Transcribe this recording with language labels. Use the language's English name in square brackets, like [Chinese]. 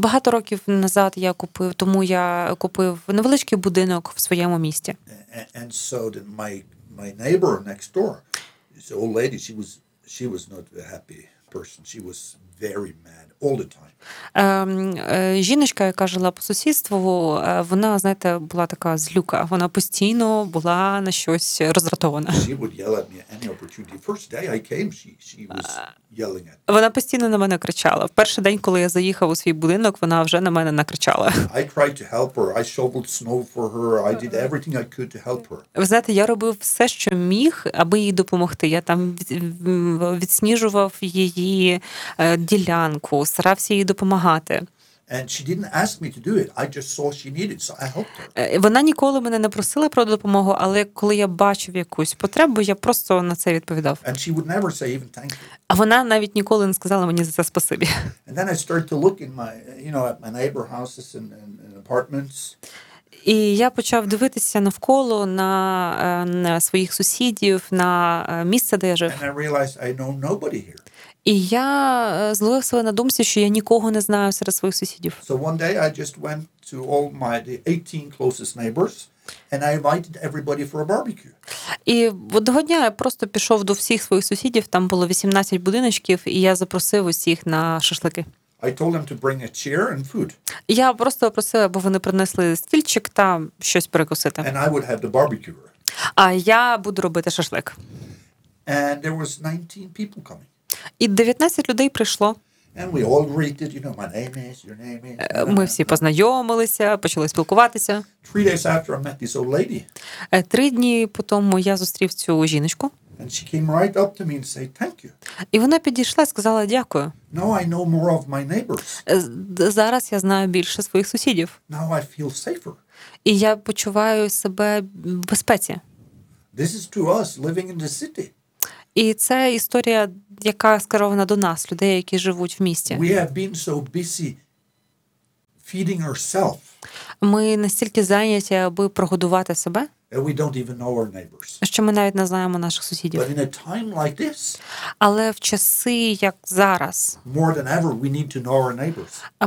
[Ukrainian] Багато років назад я купив, тому я купив невеличкий будинок в своєму місті. [English] And so then my neighbor next door, this old lady, she was not a happy person. She was very mad all the time. [Ukrainian] Жіночка, яка жила по сусідству, вона, знаєте, була така злюка. Вона постійно була на щось роздратована. [English] She would yell at me any opportunity. First day I came, she was yelling at me. [Ukrainian] Вона постійно на мене кричала. Перший день, коли я заїхав у свій будинок, вона вже на мене накричала. [English] I tried to help her. I shoveled snow for her. I did everything I could to help her. [Ukrainian] Ви знаєте, я робив все, що міг, аби їй допомогти. Я там відсніжував її ділянку, старався їй допомагати. [English] And she didn't ask me to do it. I just saw she needed, so I helped her. [Ukrainian] Вона ніколи мене не просила про допомогу, але коли я бачив якусь потребу, я просто на це відповідав. [English] And she would never say even thank you. [Ukrainian] А вона навіть ніколи не сказала мені за це спасибі. [English] And then I started to look in my, you know, at my neighbor houses and apartments. [Ukrainian] І я почав дивитися навколо на своїх сусідів, на місце, де я жив. [English] And I realized I know nobody here. [Ukrainian] І я зловився на думці, що я нікого не знаю серед своїх сусідів. [English] So one day I just went to all my 18 closest neighbors and I invited everybody for a barbecue. [Ukrainian] І одного дня я просто пішов до всіх своїх сусідів, там було 18 будиночків, і я запросив усіх на шашлики. [English] I told them to bring a chair and food. [Ukrainian] Я просто просив, аби вони принесли стільчик та щось перекусити. [English] And I would have the barbecue. [Ukrainian] А я буду робити шашлик. [English] And there was 19 people coming. [Ukrainian] І 19 людей прийшло. [English] And we all greeted, you know, my name is, your name is. [Ukrainian] Ми всі познайомилися, почали спілкуватися. [English] 3 days after I met this old lady. [Ukrainian] 3 дні потім я зустрів цю жіночку. [English] And she came right up to me and said thank you. [Ukrainian] І вона підійшла, сказала дякую. [English] Now I know more of my neighbors. [Ukrainian] Зараз я знаю більше своїх сусідів. [English] Now I feel safer. [Ukrainian] І я почуваю себе в безпеці. [English] This is to us living in the city. [Ukrainian] І це історія, яка скерована до нас, людей, які живуть в місті. [English] We have been so busy feeding ourselves. [Ukrainian] Ми настільки зайняті, аби прогодувати себе. [English] We don't even know our neighbors. [Ukrainian] Що ми навіть не знаємо наших сусідів. [English] But in a time like this, [Ukrainian] але в часи, як зараз, [English] more than ever, we need to know our neighbors.